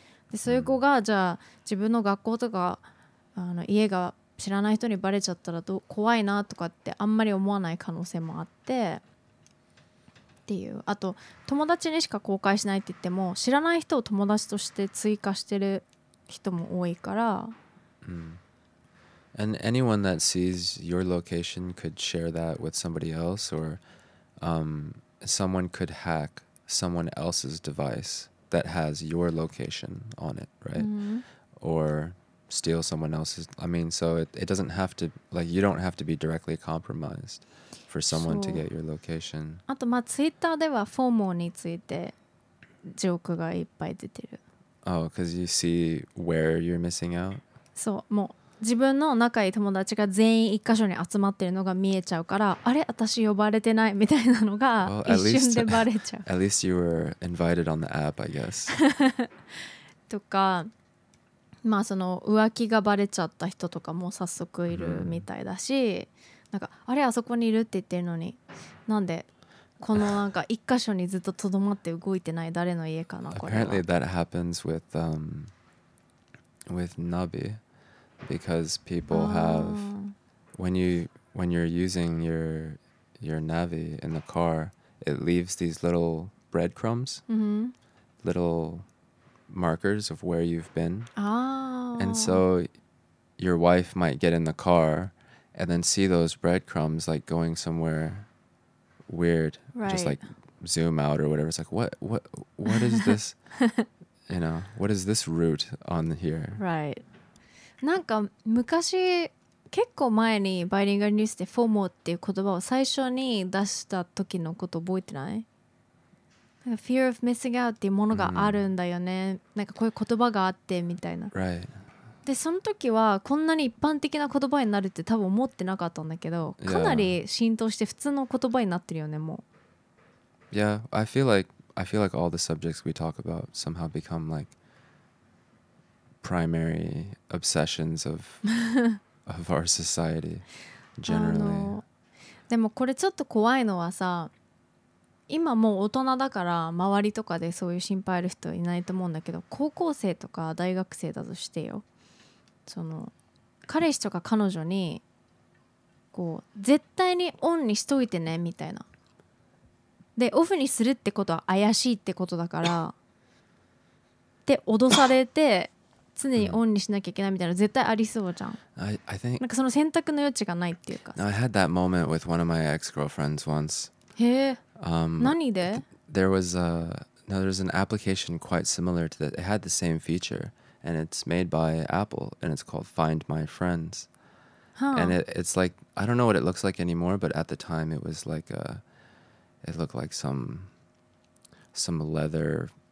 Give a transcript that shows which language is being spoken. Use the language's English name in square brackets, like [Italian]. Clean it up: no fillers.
[Japanese] でそういう子がじゃあ自分の学校とか家が知らない人にバレちゃったらどう怖いなとかってあんまり思わない可能性もあってっていう。あと友達にしか公開しないって言っても知らない人を友達として追加してる人も多いから、 mm. [English] And anyone that sees your location could share that with somebody else or someone could hack someone else's deviceThat has your location on it, right? Mm-hmm. Or steal someone else's. I mean, so it doesn't have to, like, you don't have to be directly compromised for someone to get your location. [Japanese] あと、まあ、Twitter ではフォーモーについてジョークがいっぱい出てる。 [English] Oh, because you see where you're missing out? [Japanese] そう、もう自分の仲いい友達が全員一箇所に集まってるのが見えちゃうから、あれ、私呼ばれてないみたいなのが一瞬でバレちゃう。 [English] At least you were invited on the app, I guess. [Japanese] とか、まあその浮気がバレちゃった人とかも早速いるみたいだし、なんかあれあそこにいるって言ってるのに、なんでこのなんか一箇所にずっととどまって動いてない誰の家かなこれは。 [English] Apparently that happens with Nabi. Because people have when you're using your Navi in the car, it leaves these little breadcrumbs, little markers of where you've been. And so your wife might get in the car and then see those breadcrumbs like going somewhere weird, just like zoom out or whatever. It's like, what is this? You know, what is this route on here? Right. [Japanese] なんか昔結構前にバイリンガルニュースでフォーモーっていう言葉を最初に出した時のこと覚えてない？なんか [English] Fear of missing out [Japanese] っていうものがあるんだよね、なんかこういう言葉があってみたいな、 [English] right. [Japanese] でその時はこんなに一般的な言葉になるって多分思ってなかったんだけど、かなり浸透して普通の言葉になってるよねもう。 [English] Yeah, I feel like all the subjects we talk about somehow become likeprimary obsessions of our society generally. [Japanese] でもこれちょっと怖いのはさ、今もう大人だから周りとかでそういう心配ある人いないと思うんだけど、高校生とか大学生だとしてよ、その彼氏とか彼女にこう絶対にオンにしといてねみたいな、でオフにするってことは怪しいってことだからって脅されて常にオンにしなきゃいけないみたいな、絶対ありそうじゃん。 [English] I think [Japanese] なんかその選択の余地がないっていうか。 [English] I had that moment with one of my ex-girlfriends once. [Japanese] へえ。何で？ [English] There was an application quite similar to that. It had the same feature, and it's made by Apple, and it's called Find My Friends. Huh. And it's like, I don't know what it looks like anymore, but at the time it was like a, it looked like some leather.